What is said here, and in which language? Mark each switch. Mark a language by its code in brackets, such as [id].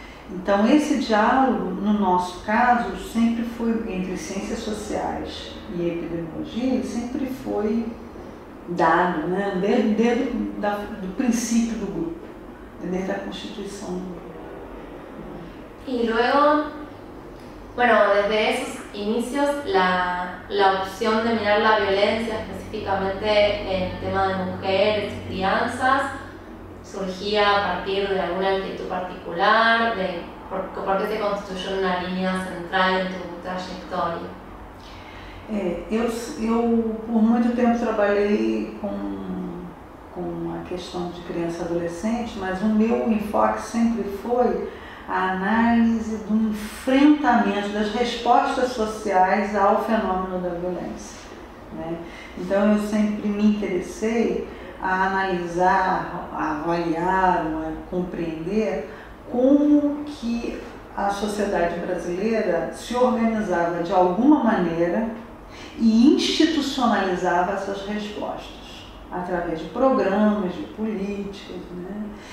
[pt] Então, esse diálogo, no nosso caso, sempre foi entre ciências sociais e epidemiologia, sempre foi dado, né? desde o princípio do grupo, desde a constituição do grupo. [es] E luego, bueno, desde esos inicios, la opción de mirar la violencia, específicamente en el tema de mujeres y crianzas, surgía a partir de alguna actitud particular, de por qué se construyó una línea central en tu trayectoria. Yo por mucho tiempo trabajé con la cuestión de crianza adolescente, pero mi enfoque siempre fue a [pt] análise do enfrentamento, das respostas sociais ao fenômeno da violência. Né? Então, eu sempre me interessei a analisar, a avaliar, a compreender como que a sociedade brasileira se organizava de alguma maneira e institucionalizava essas respostas, através de programas, de políticas. Né?